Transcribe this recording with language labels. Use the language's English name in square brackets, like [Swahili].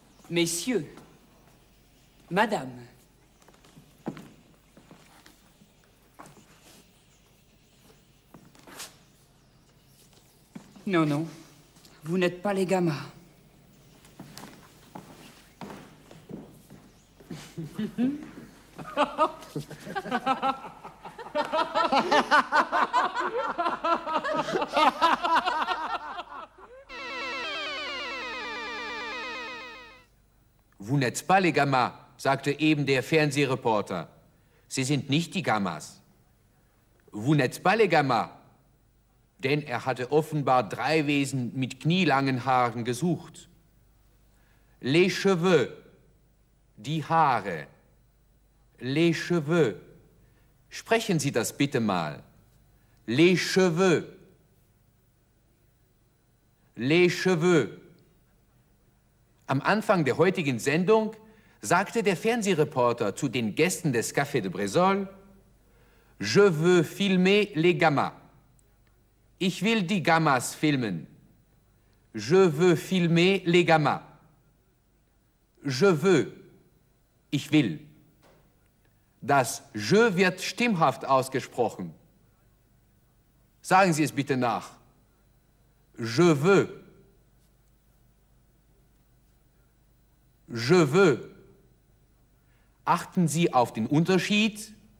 [French] Messieurs. Madame. Non, non. Vous n'êtes pas les gamins. Ha ha ha ha ha ha ha ha ha ha ha ha ha ha ha ha ha ha ha ha ha ha ha ha ha ha ha ha ha ha ha ha ha ha ha ha ha ha ha ha ha ha ha ha ha ha ha ha ha ha ha ha ha ha ha ha ha ha ha ha ha ha ha ha ha ha ha ha ha ha ha ha ha ha ha ha ha ha ha ha ha ha ha ha ha ha ha ha ha ha ha ha ha ha ha ha ha ha ha ha ha ha ha ha ha ha ha ha ha ha ha ha ha ha ha ha ha ha ha ha ha ha ha ha ha ha ha ha ha ha ha ha ha ha ha ha ha ha ha ha ha ha ha ha ha ha ha ha ha ha ha ha ha ha ha ha ha ha ha ha ha ha ha ha ha ha ha ha ha ha ha ha ha ha ha ha ha ha ha ha ha ha ha ha ha ha ha ha Vous n'êtes pas les gammas, [German] sagte eben der Fernsehreporter. Sie sind nicht die Gammas. [French] Vous n'êtes pas les gammas. [German] Denn er hatte offenbar drei Wesen mit knielangen Haaren gesucht. [French] Les cheveux, [German] die Haare. [French] Les cheveux. [German] Sprechen Sie das bitte mal. [French] Les cheveux. Les cheveux. [German] Am Anfang der heutigen Sendung sagte der Fernsehreporter zu den Gästen des Café de Brésol: [French] Je veux filmer les gammas. [German] Ich will die Gammas filmen. [French] Je veux filmer les gammas. Je veux. [German] Ich will. Das Je wird stimmhaft ausgesprochen. Sagen Sie es bitte nach. [French] Je veux. Je veux. [German] Achten Sie auf den Unterschied.